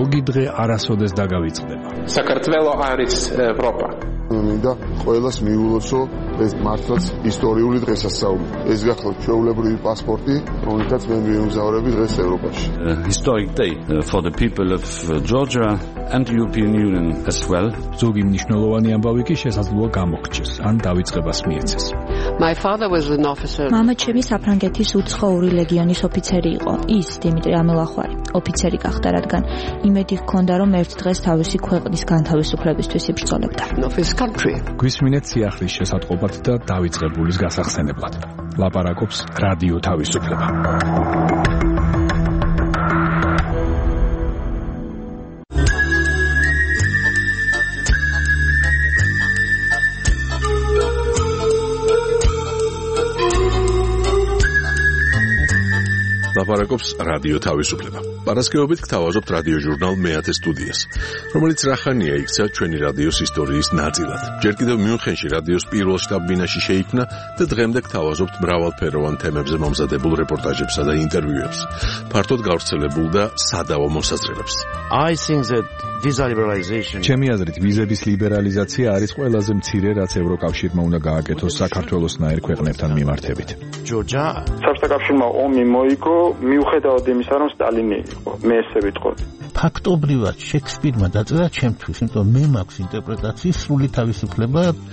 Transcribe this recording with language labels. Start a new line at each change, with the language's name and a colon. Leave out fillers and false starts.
Georgian: დღე არასოდეს დაგავიწყდება. საქართველო არის ევროპა. მინდა ყოველას მიულოცო ეს მართლაც ისტორიული დღესასწაული. ეს გახლავთ ჩვეულებრივი პასპორტი, რომელიც მე მიემგზავრები დღეს ევროპაში.
English: Historic day for the people of Georgia and the European Union as well.
Georgian: ზოგი მნიშვნელოვანი ამბავი კი შესაძლოა გამოგჩეს ან დაიწყებას მიეცეს.
English: My father was an officer.
Georgian: მამა ჩემი საფრანგეთის უცხოური ლეგიონის ოფიცერი იყო. ის დიმიტრი ამელახვარი. ოფიცერი გახდა, რადგან იმედი ჰქონდა, რომ ერთ დღეს თავისი ქვეყნის განთავისუფლებისთვის იბრძოლებდა. გვისმინეთ სიახლის შესატყობად და დავიწყებულის გასახსენებლად. ლაპარაკობს რადიო თავისუფლება. ლაპარაკობს რადიო თავისუფლება. პარასკევობით გთავაზობთ რადიო ჟურნალ მეათე სტუდიას, რომელიც რახანია იქცა ჩვენი რადიოს ისტორიის ნაწილად. ჯერ კიდევ მიუნხენში რადიოს პირველ შტაბ-ბინაში შეიქმნა და დღემდე გთავაზობთ მრავალფეროვან თემებზე მომზადებულ რეპორტაჟებსა და ინტერვიუებს, ფართოდ გავრცელებულ და სადავო მოსაზრებებს.
English: I think that visa liberalization.
Georgian: ჩემი აზრით, ვიზების ლიბერალიზაცია არის ყველაზე მცირე, რაც ევროკავშირმა უნდა გააკეთოს საქართველოსნაირ ქვეყნებთან მიმართებით. ჯორჯა, საქართველოსმა ომი მოიგო, მიუხედავად იმისა, რომ სტალინი იყო. მე ესე ვიტყოდი. ფაქტობრივად შექსპირმა დაწერა ჩემთვის, იმიტომ მე მაქვს ინტერპრეტაციის სრული თავისუფლება.